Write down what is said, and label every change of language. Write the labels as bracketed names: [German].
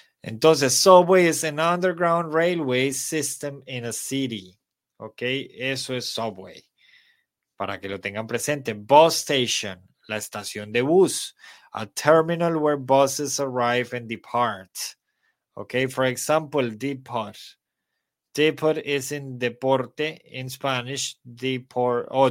[English] Entonces, Subway is an underground railway system in a city. [Spanish] ¿Ok? Eso es Subway. Para que lo tengan presente. Bus station, la estación de bus. [English] A terminal where buses arrive and depart. ¿Ok? For example, depart. Depart is in deporte, in Spanish, deport.